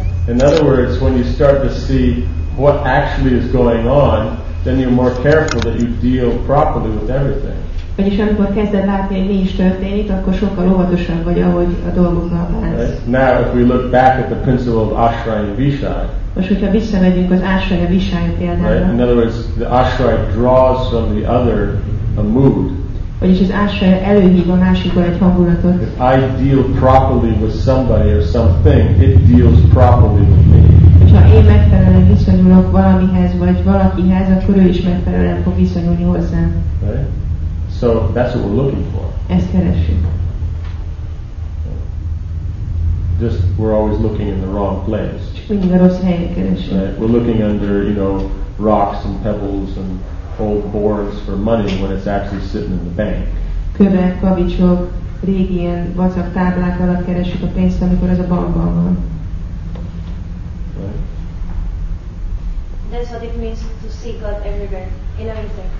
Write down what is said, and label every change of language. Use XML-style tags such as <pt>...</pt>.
<en>In other words, when you start to see what actually is going on, then you're more careful that you deal properly with everything.</en> <hu>Vagyis amikor kezded látni, hogy mi is történik, akkor sokkal óvatosabb vagy, ahogy a dolgoknak állsz.</hu> <en>Now, if we look back at the principle of ashraya vishaya.</en> <hu>Most, hogyha visszamegyünk az ashraya vishaya példára.</hu> <en>Right? In other words, the ashraya draws from the other a mood.</en> <hu>Vagyis az ashraya előhív a másikból egy hangulatot.</hu> <en>If I deal properly with somebody or something, it deals properly with me.</en> <hu>Ha én megfelelően viszonyulok valamihez vagy valakihez, akkor ő is megfelelően fog viszonyulni hozzám.</hu> <en>Right? So that's what we're looking for.</en> <hu>Ezt keresünk.</hu> <en>Just we're always looking in the wrong place.</en> <hu>Csak mindig a rossz helyre keresünk.</hu> <en>Right? We're looking under, you know, rocks and pebbles and old boards for money when it's actually sitting in the bank.</en> <hu>Körök, kavicsok, régi ilyen vacak táblák alatt keresünk a pénzt, amikor ez a bankban van.</hu> <en>That's what it means to see God everywhere, in everything.</en>